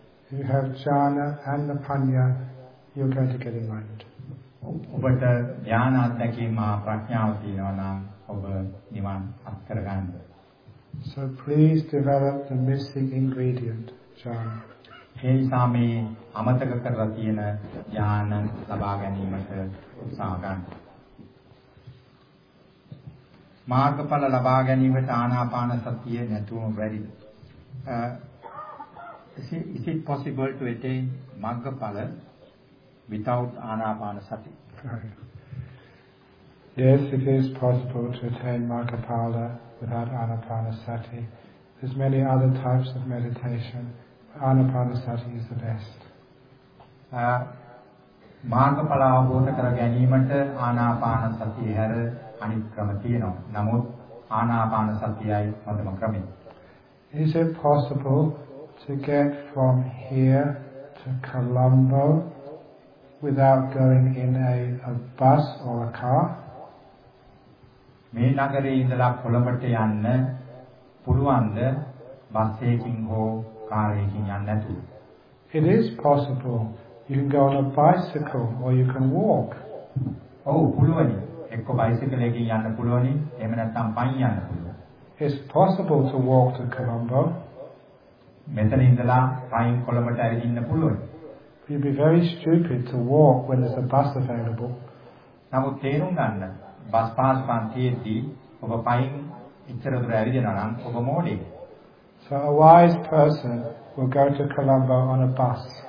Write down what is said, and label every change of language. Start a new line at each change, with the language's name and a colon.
English: You have jhana and the panya, you're going to get enlightened.
Sinhala: ඔබට ධ්‍යාන අත්දැකීම ප්‍රඥාව තියෙනවා නම් ඔබ නිවන් අත්කර ගන්න.
English: So please develop the missing ingredient, jhana.
Sinhala: ඒ නිසා මේ අමතක කරලා තියෙන ධ්‍යාන ලබා ගැනීමට උත්සාහ ගන්න. මාර්ගඵල ලබා ගැනීමට ආනාපාන සතිය නැතුවම බැරි.
English: Is it possible to attain මාර්ගඵල without ආනාපාන සති? Yes, it is possible to attain මාර්ගඵල without ආනාපාන සති. There's many other types of meditation. ආනාපානසති is the best.
Sinhala: මාර්ගඵල අවබෝධ කර ගැනීමට ආනාපාන සතිය හැර අනිත් ක්‍රම තියෙනවා. නමුත් ආනාපාන සතියයි හොඳම ක්‍රමය.
English: Is it possible to get from here to Colombo without going in a bus or a car?
Sinhala: මේ නගරේ ඉඳලා කොළඹට යන්න පුළුවන්ද බස් එකකින් හෝ කාරයකින් යන්න නැතුව?
English: It is possible. You can go on a bicycle or you can walk.
Sinhala: Oh, පුළුවනි. එක්ක බයිසිකලයකින් යන්න පුළුවනි. එහෙම නැත්නම් පයින් යන්න පුළුවන්.
English: It's possible to walk to Colombo.
Sinhala: මෙතන ඉඳලා පයින් කොළඹට ඇවිදින්න පුළුවනි.
English: You'd be very stupid to walk when there's a bus available.
Sinhala: නමුත් තේරුම් ගන්න. බස් පාසුවන් තියෙද්දී ඔබ පයින් ඉච්චර දුර ඇවිදිනවා නම් ඔබ මොඩේ.
English: So a wise person will go to Colombo on a bus.